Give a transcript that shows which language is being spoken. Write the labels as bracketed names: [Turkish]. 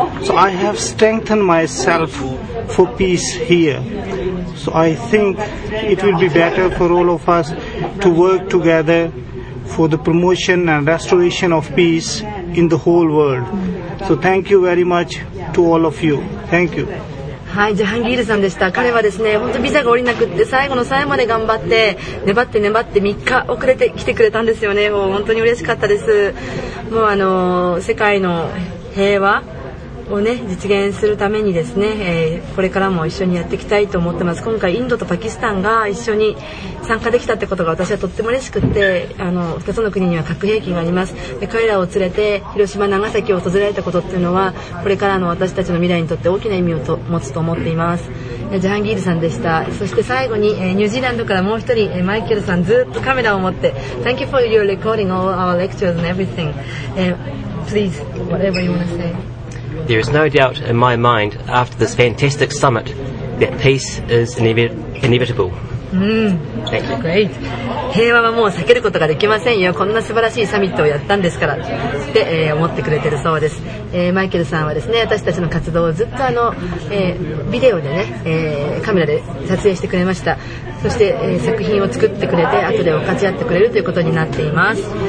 [English] So I have strengthened myself for peace here. So I think it will be better for all of us to work together for the promotion and restoration of peace in the whole world. So thank you very much to all of you. Thank you. [Japanese] はい、ジャハンギールさんでした。彼はですね、本当ビザが降りなくって最後の最後まで頑張って粘って粘って3日遅れて来てくれたんですよね。もう本当に嬉しかったです。もう世界の平和をね、実現するためにですね、これからも一緒にやっていきたいと思ってます。今回インドとパキスタンが一緒に参加できたってことが私はとっても嬉しくって、2つの国には核兵器があります。で、彼らを連れて広島長崎を訪れたことっていうのは、これからの私たちの未来にとって大きな意味を持つと思っています。ジャハンギールさんでした。そして最後に、ニュージーランドからもう一人、マイケルさん、ずっとカメラを持って [English] Thank you for your recording all our lectures and everything. Please, whatever you want to say. There is no doubt in my mind after this fantastic summit that peace is inevitable. Thank you. Great. [Japanese] 平和はもう避けることができませんよ。こんな素晴らしいサミットをやったんですからって、思ってくれてるそうです。マイケルさんはですね、私たちの活動をずっとビデオでね、カメラで撮影してくれました。そして、作品を作ってくれて、後で分かち合ってくれるということになっています。